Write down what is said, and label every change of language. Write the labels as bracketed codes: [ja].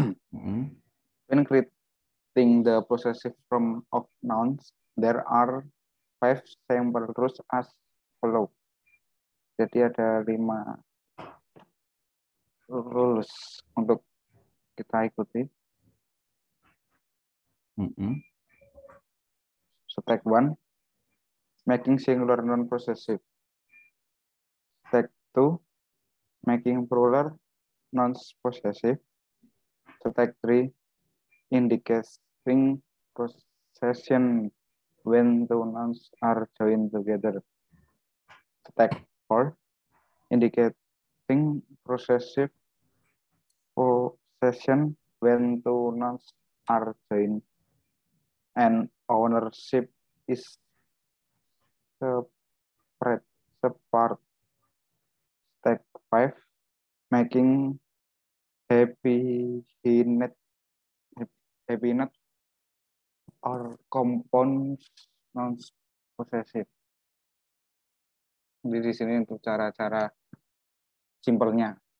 [en] When creating the possessive form of nouns, there are 5 simple rules as follow. [id] Jadi ada 5 rules untuk kita ikuti. [en] Step 1. Making singular noun possessive. Step 2, making plural nouns possessive. Step 3, indicating possession when the nouns are joined together. Step 4, indicating possessive possession when the nouns are joined and ownership is separate five, making happy hinet, happy not, or compound nouns possessive. [id] Di sini untuk cara-cara simpelnya.